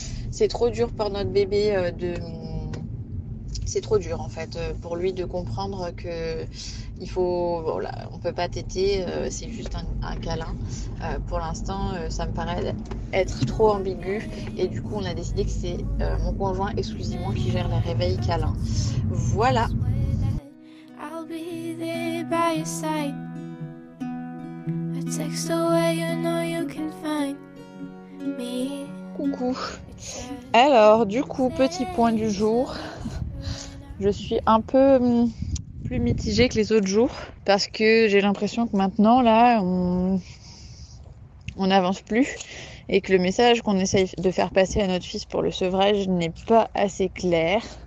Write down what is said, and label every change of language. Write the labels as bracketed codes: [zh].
[fr] C'est trop dur pour notre bébé de... c'est trop dur en fait pour lui de comprendre que il faut, voilà, on peut pas téter, c'est juste un câlin. Pour l'instant, ça me paraît être trop ambigu et du coup, on a décidé que c'est mon conjoint exclusivement qui gère les réveils câlins. Voilà. [en] I'll be there by your side. A text away, you know you can find me. [fr] Coucou. Alors, du coup, petit point du jour. Je suis un peu plus mitigée que les autres jours. parce que j'ai l'impression que maintenant, là, on n'avance plus et que le message qu'on essaye de faire passer à notre fils pour le sevrage n'est pas assez clair.